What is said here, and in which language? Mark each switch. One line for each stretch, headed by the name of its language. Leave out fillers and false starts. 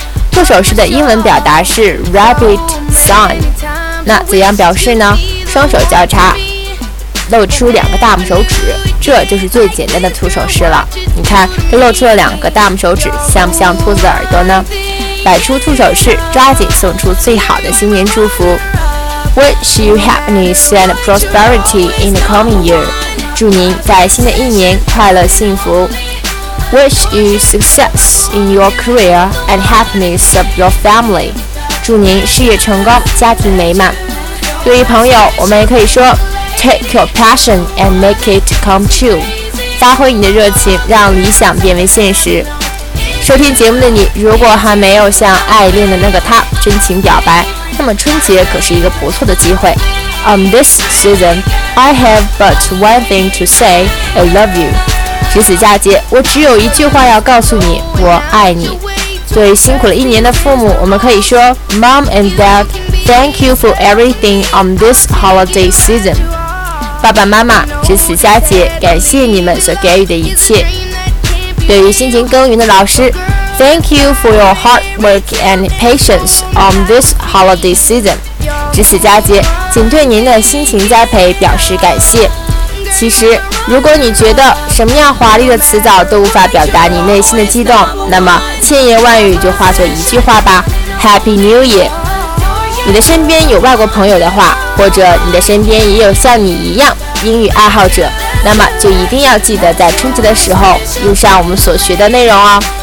Chinese: 兔手势的英文表达是
English: rabbit sign，
Chinese: 那怎样表示呢？双手交叉，露出两个大拇手指，这就是最简单的兔手势了。你看，这露出了两个大拇手指，像不像兔子耳朵呢？摆出兔手势，抓紧送出最好的新年祝福。
English: Wish you happiness and prosperity in the coming year.
Chinese: 祝您在新的一年快乐幸福。
English: Wish you success in your career and happiness of your family.
Chinese: 祝您事业成功，家庭美满。对于朋友，我们也可以说
English: Take your passion and make it come true.
Chinese: 发挥你的热情，让理想变为现实。收听节目的你，如果还没有向爱恋的那个他真情表白，那么春节可是一个不错的机会。
English: On this season, I have but one thing to say, I love you.
Chinese: 值此佳节，我只有一句话要告诉你，我爱你。对辛苦了一年的父母，我们可以说
English: Mom and Dad, thank you for everything on this holiday season.
Chinese: 爸爸妈妈，值此佳节，感谢你们所给予的一切。对于辛勤耕耘的老师，
English: Thank you for your hard work and patience on this holiday season.
Chinese: 值此佳节，请对您的辛勤栽培表示感谢。其实如果你觉得什么样华丽的词藻都无法表达你内心的激动，那么千言万语就化作一句话吧，
English: Happy New Year。
Chinese: 你的身边有外国朋友的话，或者你的身边也有像你一样英语爱好者，那么就一定要记得在春节的时候用上我们所学的内容哦。